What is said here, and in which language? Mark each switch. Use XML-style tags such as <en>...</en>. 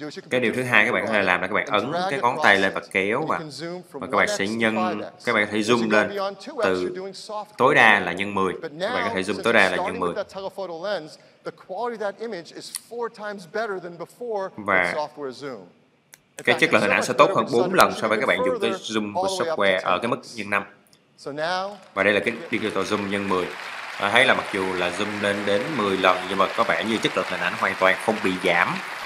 <vi>Cái điều thứ hai các bạn có thể làm là các bạn ấn cái ngón tay lên và kéo vào. Và các bạn sẽ nhân, các bạn có thể zoom lên từ tối đa là nhân 10. Các bạn có thể zoom tối đa là nhân 10.</vi> <en>The quality of that image is 4 times better than before with software zoom.</en> <vi>Cái chất lượng hình ảnh sẽ tốt hơn 4 lần so với các bạn dùng cái zoom của software ở cái mức nhân 5. Và đây là cái digital zoom nhân 10. À, thấy là mặc dù là zoom lên đến 10 lần nhưng mà có vẻ như chất lượng hình ảnh hoàn toàn không bị giảm.</vi>